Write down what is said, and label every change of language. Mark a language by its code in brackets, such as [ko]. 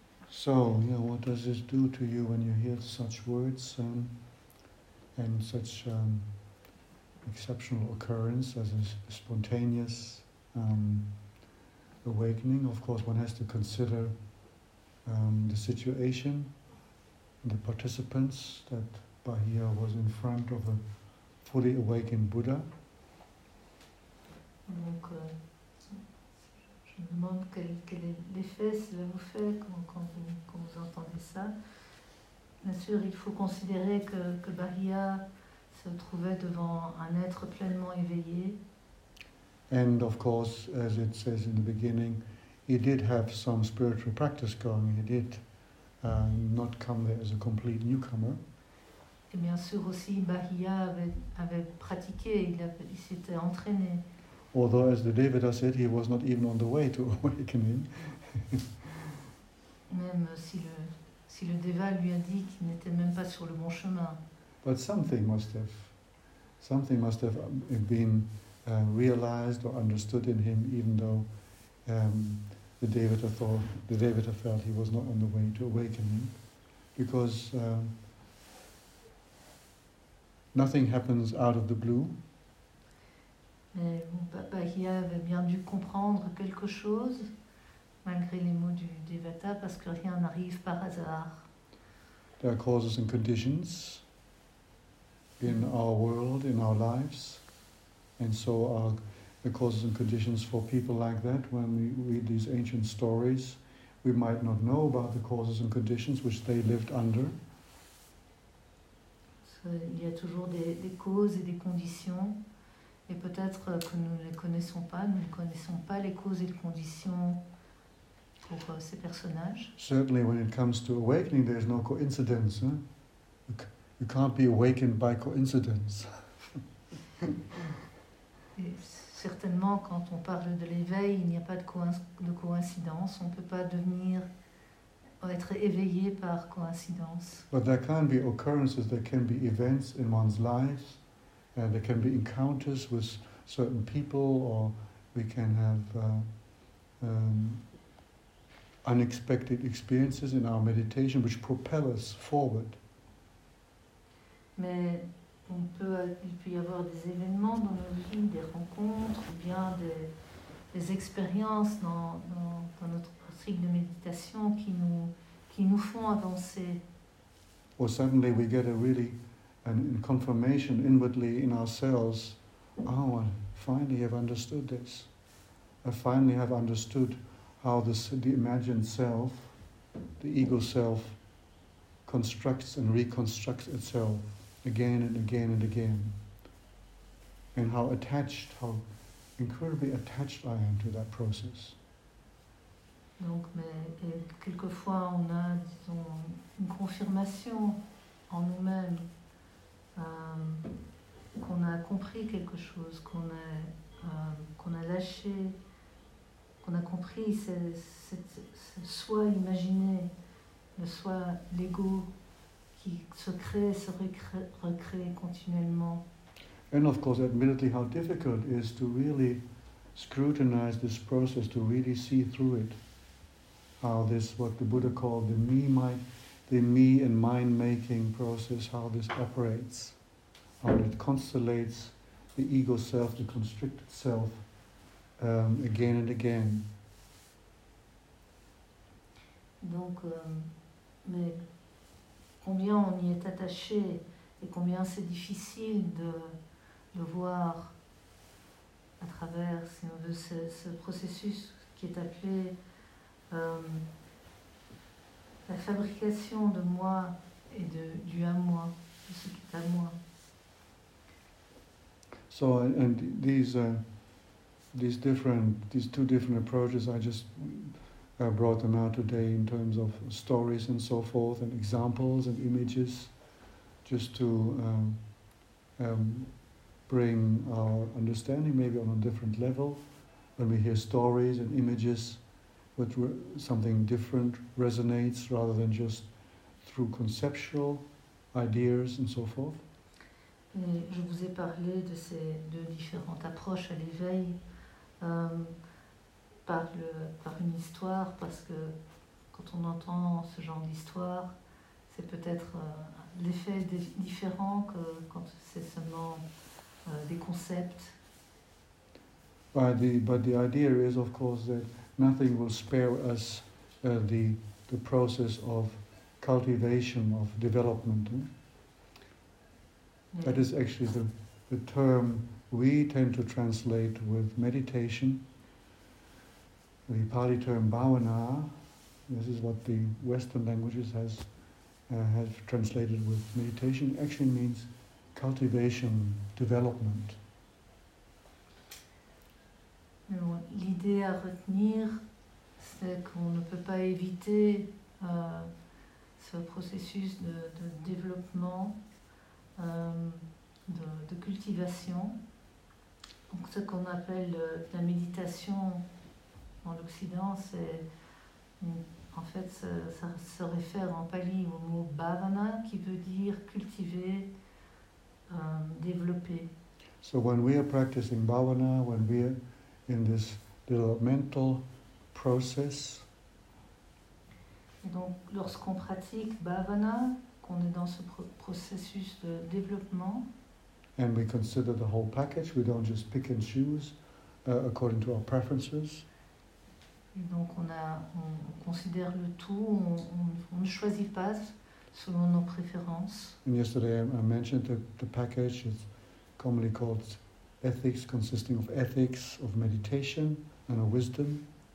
[en] So, yeah, what does this do to you when you hear such words and such exceptional occurrence as a spontaneous awakening? Of course, one has to consider the situation, the participants, that Bahia was in front of a fully awakened Buddha. [fr] Donc, je me demande quel est l'effet cela vous fait quand vous entendez ça. Bien sûr, il faut considérer que Bahia se trouvait devant un être pleinement éveillé. [en] And of course, as it says in the beginning, he did have some spiritual practice going. He did not come there as a complete newcomer. [fr] Et bien sûr aussi, Bahia avait pratiqué, il s'était entraîné. [en] Although, as the Devadas said, he was not even on the way to awakening. [fr] Même si le Deva lui a dit qu'il n'était même pas sur le bon chemin. [en] But something must have been realized or understood in him, even though the Devata felt he was not on the way to awakening, because nothing happens out of the blue. [fr] Mais bon, Bahia avait bien dû comprendre quelque chose, malgré les mots du Devata, parce que rien n'arrive par hasard. [en] There are causes and conditions in our world, in our lives, and so are the causes and conditions for people like that. When we read these ancient stories, we might not know about the causes and conditions which they lived under. [fr] Il y a toujours des causes et des conditions, et peut-être que nous ne les connaissons pas. Nous ne connaissons pas les causes et les conditions pour ces personnages. [en] Certainly, when it comes to awakening, there is no coincidence. Hein? You can't be awakened by coincidence. [fr] Certainement, quand on parle de l'éveil, il n'y a pas de coïncidence. On ne peut pas devenir ou être éveillé par coïncidence. [en] But there can be occurrences, there can be events in one's life, and there can be encounters with certain people, or we can have unexpected experiences in our meditation which propel us forward. [fr] Mais il peut y avoir des événements dans nos vies, des rencontres, ou bien des expériences dans notre pratique de méditation qui nous font avancer. [en] Or suddenly we get a really an confirmation inwardly in ourselves. Oh, I finally have understood this. I finally have understood how the imagined self, the ego self, constructs and reconstructs itself. again and again and again, and how attached, how incredibly attached I am to that process. [fr] Donc, mais quelquefois on a, disons, une confirmation en nous-mêmes qu'on a compris quelque chose, qu'on a lâché, qu'on a compris ce soi imaginé, le soi, l'ego, qui se crée, se recrée continuellement. [en] And of course, admittedly, how difficult it is to really scrutinize this process, to really see through it. How this, what the Buddha called the me and mind making process, how this operates, how it constellates the ego self, the constricted self, again and again. [fr] Donc, mais combien on y est attaché et combien c'est difficile de voir à travers, si on veut, ce processus qui est appelé. La fabrication de moi et du à moi, de ce qui est à moi. [en] So and these two different approaches, I just brought them out today in terms of stories and so forth, and examples and images, just to bring our understanding maybe on a different level when we hear stories and images. But something different resonates rather than just through conceptual ideas and so forth. [fr] Et je vous ai parlé de ces deux différentes approches à l'éveil par une histoire, parce que quand on entend ce genre d'histoire, c'est peut-être l'effet différent que quand c'est seulement des concepts. [en] But the idea is, of course, that nothing will spare us the process of cultivation, of development. Hmm? That is actually the term we tend to translate with meditation. The Pali term bhavana, this is what the Western languages have translated with meditation, actually means cultivation, development. [fr] L'idée à retenir, c'est qu'on ne peut pas éviter ce processus de développement, de cultivation. Donc, ce qu'on appelle la méditation en Occident, c'est en fait ça se réfère en pali au mot bhavana, qui veut dire cultiver, développer. [en] So when we are practicing bhavana, when we are in this developmental process. [fr] Donc, lorsqu'on pratique bhavana, qu'on est dans ce processus de développement. [en] And we consider the whole package. We don't just pick and choose according to our preferences. [fr] Et donc, on considère le tout. On ne choisit pas selon nos préférences. [en] And yesterday, I mentioned the package. It's commonly called ethics, consisting of ethics, of meditation, and of wisdom.